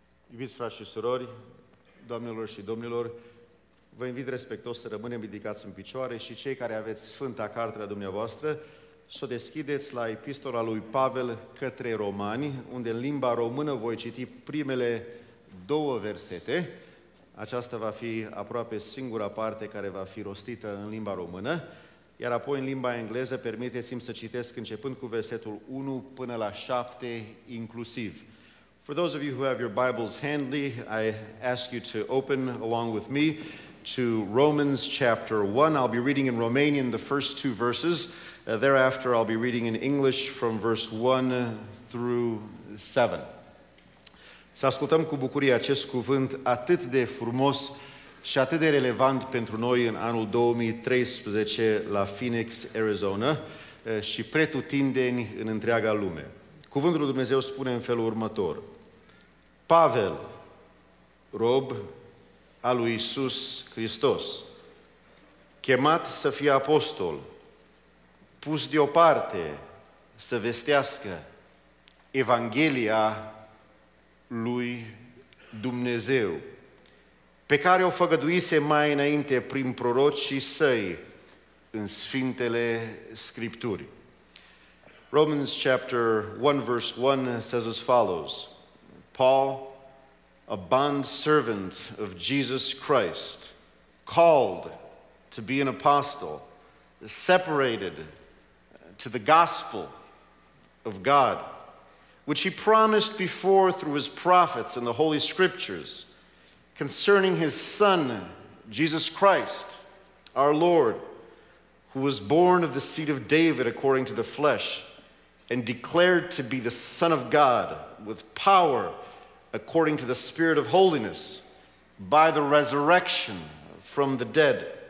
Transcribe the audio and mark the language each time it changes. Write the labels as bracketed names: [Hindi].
[Romanian] Iubiți frați și surori, domnilor și domnilor, vă invit respectos să rămânem ridicați în picioare și cei care aveți Sfânta Carte a dumneavoastră, să o deschideți la Epistola lui Pavel către Romani, unde în limba română voi citi primele două versete. Aceasta va fi aproape singura parte care va fi rostită în limba română, iar apoi în limba engleză permiteți-mi să citesc începând cu versetul 1 până la 7 inclusiv. [English] For those of you who have your Bibles handy, I ask you to open along with me to Romans chapter 1. I'll be reading in Romanian the first two verses. Thereafter, I'll be reading in English from verse 1 through 7. [Romanian] Să ascultăm cu bucurie acest cuvânt atât de frumos și atât de relevant pentru noi în anul 2013 la Phoenix, Arizona, și pretutindeni în întreaga lume. Cuvântul lui Dumnezeu spune în felul următor: Pavel, rob al lui Iisus Hristos, chemat să fie apostol, pus deoparte să vestească Evanghelia lui Dumnezeu, pe care o făgăduise mai înainte prin prorocii săi în Sfintele Scripturi. [English] Romans chapter 1 verse 1 says as follows: Paul, a bondservant of Jesus Christ, called to be an apostle, separated to the gospel of God, which he promised before through his prophets in the Holy Scriptures, concerning his Son, Jesus Christ, our Lord, who was born of the seed of David according to the flesh, and declared to be the Son of God with power according to the Spirit of holiness, by the resurrection from the dead.